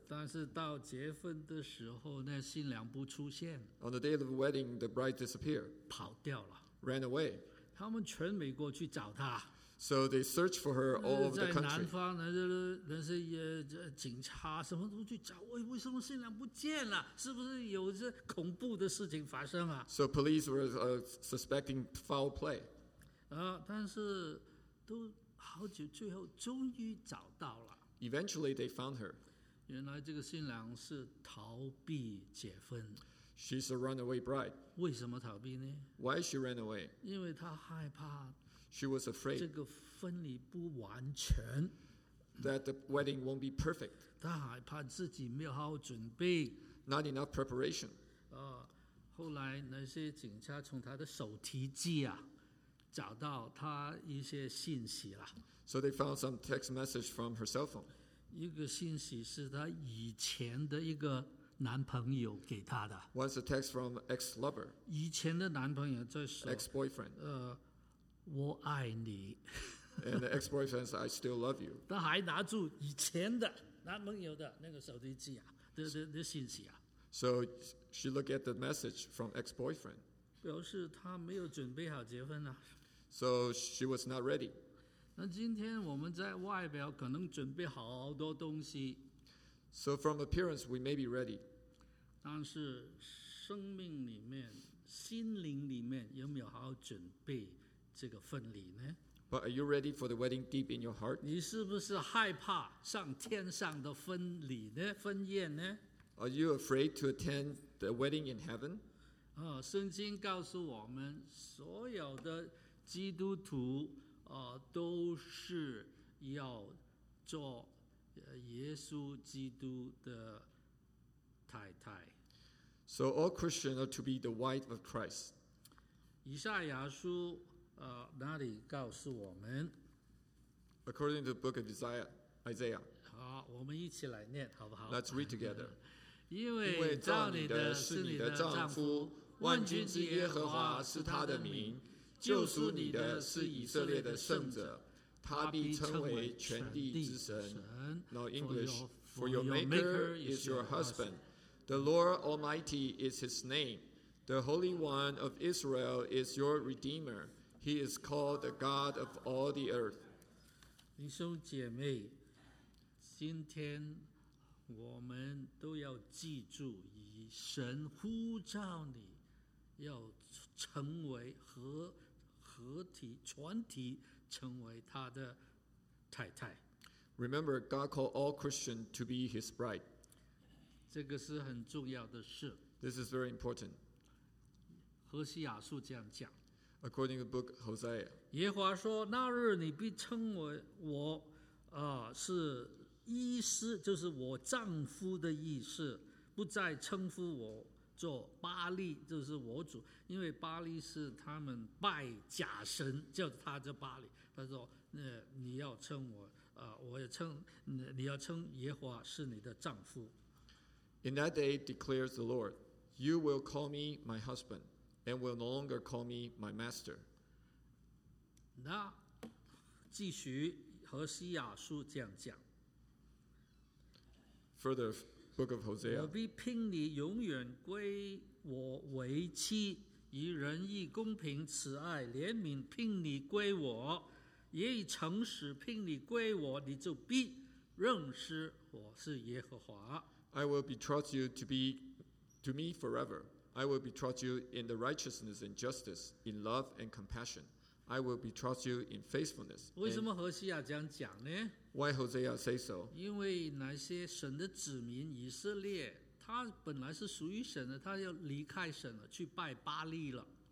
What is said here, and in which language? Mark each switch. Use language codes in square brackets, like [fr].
[zh] 但是到结婚的时候，那新娘不出现。 [en] On the day of the wedding, the bride disappeared. [zh] 跑掉了。 [en] Ran away. [zh] 他们全美国去找她。 [en] So they searched for her all over the country. [zh] 在南方，那些警察什么都去找，为什么新娘不见了？是不是有这恐怖的事情发生啊 [en] ？So police were suspecting foul play. [zh] 但是都。好久，最后终于找到了。 [en] Eventually, they found her. [zh] 原来这个新娘是逃避结婚。 [en] She's a runaway bride. [zh] 为什么逃避呢 [en] ？Why she ran away? [zh] 因为她害怕。 [en] She was afraid. [zh] 这个婚礼不完全。 [en] That the wedding won't be perfect. [zh] 她害怕自己没有好好准备。 [en] Not enough preparation. [zh] 后来那些警察从她的手提机啊。找到她一些信息了。 [en] So they found some text message from her cell phone. [zh] 一个信息是她以前的一个男朋友给她的。 [en] One's a text from ex-lover. [zh] 以前的男朋友在说 [en] ex-boyfriend. [zh] 我爱你。 [en] And the ex-boyfriend says, "I still love you." [zh] 她还拿住以前的男朋友的那个手机机啊，的信息啊。 [en] So she looked at the message from ex-boyfriend. [zh] 表示她没有准备好结婚啊。 [en] So she was not ready. [zh] 那今天我们在外表可能准备好多东西。 [en] So from appearance, we may be ready. [zh] 但是生命里面、心灵里面有没有好好准备这个婚礼呢？ [en] But are you ready for the wedding deep in your heart? [zh] 你是不是害怕上天上的婚礼呢？婚宴呢？ [en] Are you afraid to attend the wedding in heaven? [zh] 圣经告诉我们，所有的基督徒都是要做耶稣基督的太太。 [en] So all Christians are to be the wife of Christ. [zh] 以赛亚书哪里告诉我们 [en] ？According to the book of Isaiah. [zh] 好，我们一起来念，好不好 [en] ？Let's read together. [zh] 因为造你的是你的丈夫，万军之耶和华是他的名，救赎你的是以色列的圣者，他必称为全地之神。 [en] Now English, for your maker is your husband, the Lord Almighty is his name, the Holy One of Israel is your Redeemer. He is called the God of all the earth. [zh] 弟兄姐妹，今天我们都要记住，以神呼召你，要成为合体全体成为他的太太。 [en] Remember, God called all Christians to be His bride. [zh] 这个是很重要的事。 [en] This is very important. [zh] 何西雅书这样讲。 [en] According to the book Hosea, [zh] 耶和华说：“那日你必称为我，是医师，就是我丈夫的意思，不再称呼我做巴利，就是我主，因为巴利是他们拜假神，叫他叫巴利。他说，你要称我，我也称，你要称耶和华是你的丈夫。 [en] In that day, declares the Lord, you will call me my husband.” And will no longer call me my master. [zh] 那继续何西亚书这样讲。 [en] Further, Book of Hosea. [zh] 我必聘你永远归我为妻，以仁义、公平、慈爱、怜悯聘你归我，也以诚实聘你归我，你就必认识我是耶和华。 [en] I will betroth you to me forever. I will betroth you in the righteousness and justice, in love and compassion. I will betroth you in faithfulness. [zh] 为什么何西亚这样讲呢？ [en] Why Hosea say so? [zh] 因为那些神的子民以色列，他本来是属于神的，他要离开神了，去拜巴利了。